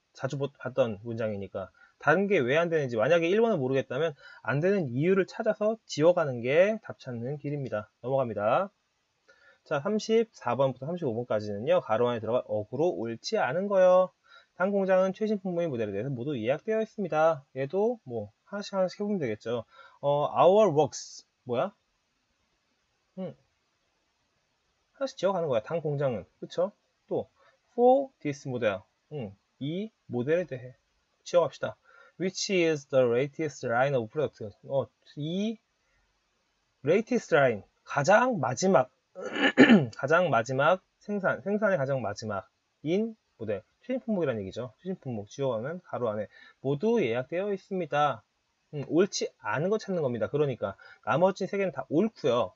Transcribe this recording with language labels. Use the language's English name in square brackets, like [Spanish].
[Korean] 자주 봤던 문장이니까. 다른 게왜안 되는지 만약에 1번을 모르겠다면 안 되는 이유를 찾아서 지워가는 게답 찾는 길입니다. 넘어갑니다. 자, 34번부터 35번까지는요, 가로 안에 들어갈 어구로 옳지 않은 거요. 당 공장은 최신 품목인 모델에 대해서 모두 예약되어 있습니다. 얘도, 뭐, 하나씩 해보면 되겠죠. [English] our works, [Korean] 뭐야? 하나씩 지어가는 거야, 당 공장은. 그쵸? 또, [English] for this model, [Korean] 이 모델에 대해 지어갑시다. [English] Which is the latest line of product? [Korean] 이 latest line, 가장 마지막. 가장 마지막 생산의 가장 마지막 인 모델 최신 품목이란 얘기죠. 최신 품목 지어가면 가로 안에 모두 예약되어 있습니다. 옳지 않은 거 찾는 겁니다. 그러니까 나머지 세 개는 다 옳고요.